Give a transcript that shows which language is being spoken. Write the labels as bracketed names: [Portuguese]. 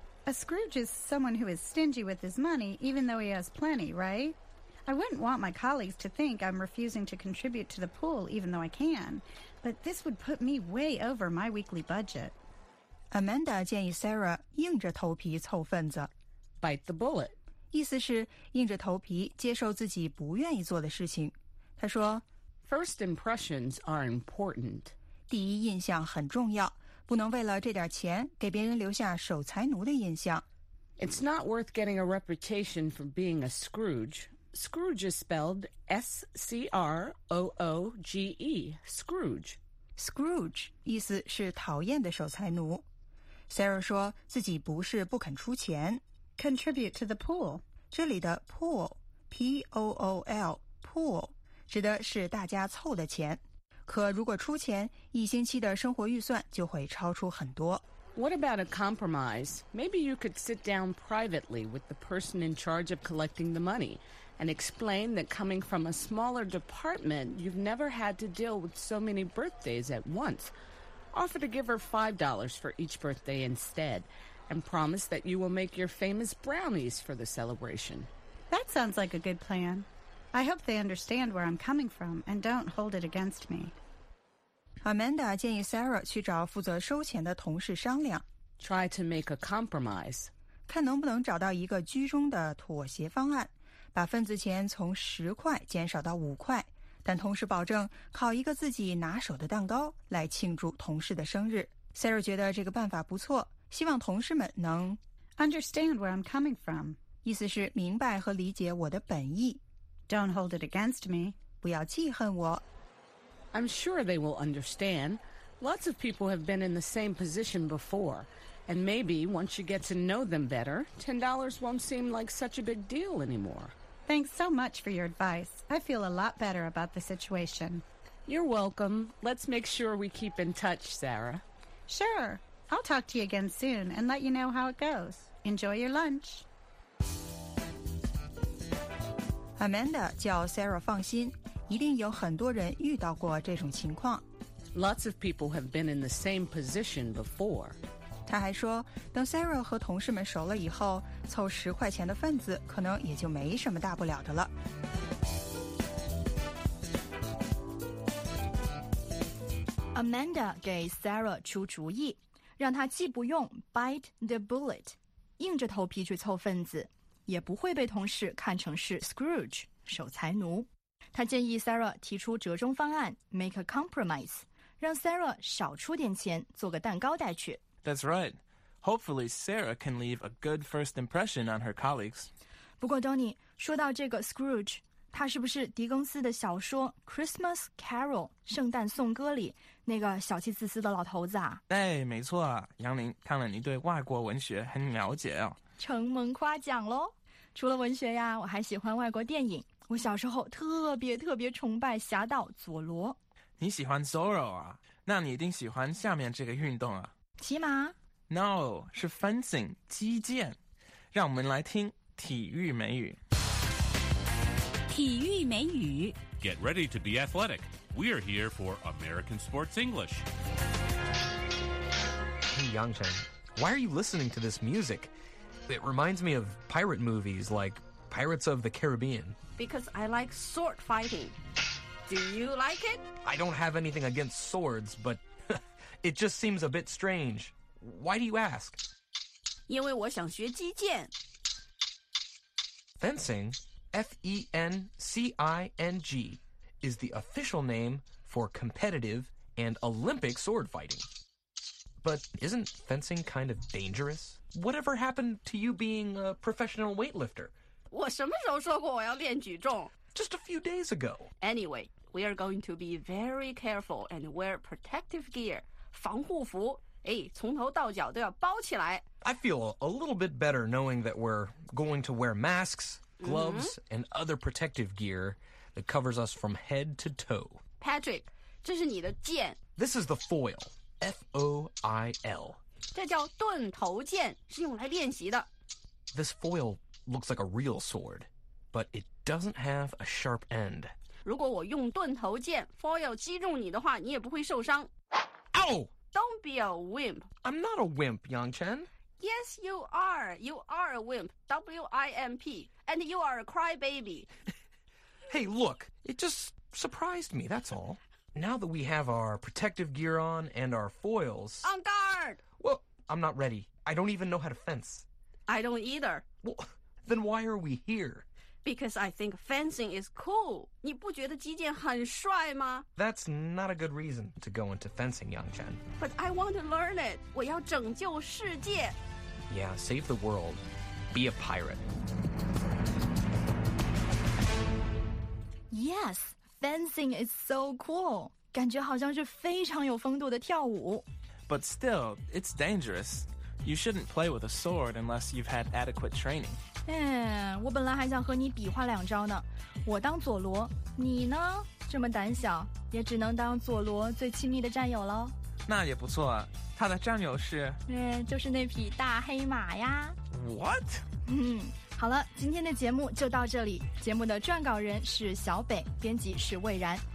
[English] A Scrooge is someone who is stingy with his money, even though he has plenty, right? I wouldn't want my colleagues to think I'm refusing to contribute to the pool, even though I can. But this would put me way over my weekly budget. [Chinese] Amanda 建议 Sarah 硬着头皮凑份子。 [English] Bite the bullet. [Chinese] 意思是硬着头皮接受自己不愿意做的事情。她说 [English] First impressions are important. [Chinese] 第一印象很重要，不能为了这点钱给别人留下守财奴的印象。 [English] It's not worth getting a reputation for being a Scrooge. Scrooge is spelled S-C-R-O-O-G-E, Scrooge. [Chinese] Scrooge 意思是讨厌的守财奴。Sarah 说自己不是不肯出钱。 [English] Contribute to the pool. [Chinese] 这里的 pool, P-O-O-L, pool, 指的是大家凑的钱。可如果出钱，一星期的生活预算就会超出很多。 [English] What about a compromise? Maybe you could sit down privately with the person in charge of collecting the money. And explain that coming from a smaller department, you've never had to deal with so many birthdays at once. Offer to give her $5 for each birthday instead, and promise that you will make your famous brownies for the celebration. That sounds like a good plan. I hope they understand where I'm coming from and don't hold it against me. [Chinese] Amanda 建议 Sarah 去找负责收钱的同事商量。 [English] Try to make a compromise. [Chinese] 看能不能找到一个居中的妥协方案，把份子钱从10块减少到5块，但同时保证烤一个自己拿手的蛋糕来庆祝同事的生日。 Sarah 觉得这个办法不错，希望同事们能 [English] Understand where I'm coming from， [Chinese] 意思是明白和理解我的本意。 [English] Don't hold it against me， [Chinese] 不要记恨我。 [English] I'm sure they will understand. Lots of people have been in the same position before. And maybe once you get to know them better, $10 won't seem like such a big deal anymore. Thanks so much for your advice. I feel a lot better about the situation. You're welcome. Let's make sure we keep in touch, Sarah. Sure. I'll talk to you again soon and let you know how it goes. Enjoy your lunch. [Chinese] Amanda 叫 Sarah 放心。一定有很多人遇到过这种情况。 [English] Lots of people have been in the same position before. [Chinese] 他还说，等 Sarah 和同事们熟了以后，凑10块钱的份子可能也就没什么大不了的了。 Amanda 给 Sarah 出主意，让她既不用 [English] bite the bullet， [Chinese] 硬着头皮去凑份子，也不会被同事看成是 Scrooge， 守财奴。他建议 Sarah 提出折中方案 ， [English] make a compromise， [Chinese] 让 Sarah 少出点钱，做个蛋糕带去。 [English] That's right. Hopefully, Sarah can leave a good first impression on her colleagues. [Chinese] 不过 ，Donny， 说到这个 Scrooge， 他是不是狄更斯的小说 [English] 《Christmas Carol》 [Chinese] 圣诞颂歌里那个小气自私的老头子啊？哎，没错，杨林，看来你对外国文学很了解哦。承蒙夸奖喽。除了文学呀，我还喜欢外国电影。我小时候特别特别崇拜侠盗佐罗。你喜欢 Zorro 啊？那你一定喜欢下面这个运动啊。骑马？ [English] No， [Chinese] 是 fencing， 击剑。让我们来听体育美语。体育美语。 [English] Get ready to be athletic. We are here for American Sports English. Hey Yangcheng, why are you listening to this music? It reminds me of pirate movies like Pirates of the Caribbean. Because I like sword fighting. Do you like it? I don't have anything against swords, but it just seems a bit strange. Why do you ask? [Chinese] 因为我想学击剑。 [English] Fencing, F-E-N-C-I-N-G, is the official name for competitive and Olympic sword fighting. But isn't fencing kind of dangerous? Whatever happened to you being a professional weightlifter? [Chinese] 我什么时候说过我要练举重 [English] ？Just a few days ago. Anyway, we are going to be very careful and wear protective gear, [Chinese] 防护服。哎，从头到脚都要包起来。 [English] I feel a little bit better knowing that we're going to wear masks, gloves,、mm-hmm. and other protective gear that covers us from head to toe. [Chinese] Patrick, 这是你的剑。 [English] This is the foil, F-O-I-L. [Chinese] 这叫盾头剑，是用来练习的。 [English] This foil. Looks like a real sword, but it doesn't have a sharp end. [Chinese] 如果我用盾头剑 foil 击中你的话，你也不会受伤。 [English] Ow! Don't be a wimp. I'm not a wimp, Yangchen. Yes, you are. You are a wimp. W-I-M-P. And you are a crybaby. Hey, look. It just surprised me, that's all. Now that we have our protective gear on and our foils... En garde! Well, I'm not ready. I don't even know how to fence. I don't either. Well, then why are we here? Because I think fencing is cool. [Chinese] 你不觉得击剑很帅吗? [English] That's not a good reason to go into fencing, Yangchen. But I want to learn it. [Chinese] 我要拯救世界。 [English] Yeah, save the world. Be a pirate. Yes, fencing is so cool. [Chinese] 感觉好像是非常有风度的跳舞。 [English] But still, it's dangerous. You shouldn't play with a sword unless you've had adequate training. [Chinese] 我本来还想和你比划两招呢。我当佐罗，你呢？这么胆小，也只能当佐罗最亲密的战友喽。那也不错，他的战友是？就是那匹大黑马呀。 [English] What? [Chinese] 好了，今天的节目就到这里。节目的撰稿人是小北，编辑是魏然。